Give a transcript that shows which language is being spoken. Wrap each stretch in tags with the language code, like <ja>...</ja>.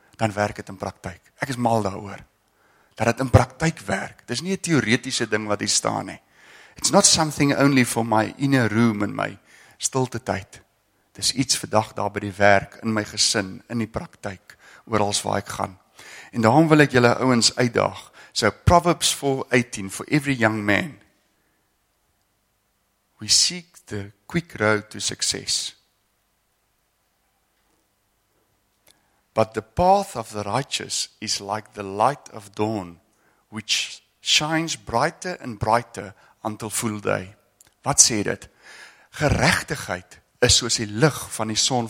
<af>dan werk het in praktijk. Ek is mal daaroor. Dat het in praktijk werk. Dit is nie 'n teoretiese ding wat hier staan nie.</af> <en>It's not something only for my inner room in my</en> <af>stilte tyd. Dit is iets vir dag daar by die werk, in my gesin, in die praktijk, oral waar ek gaan. En daarom wil ek julle ouens uitdaag.</af> <en>So Proverbs 4:18 for every young man. We seek the quick road to success. But the path of the righteous is like the light of dawn, which shines brighter and brighter until full day.</en> <af>Wat sê dit? Geregtigheid is soos die lig van die son.</af>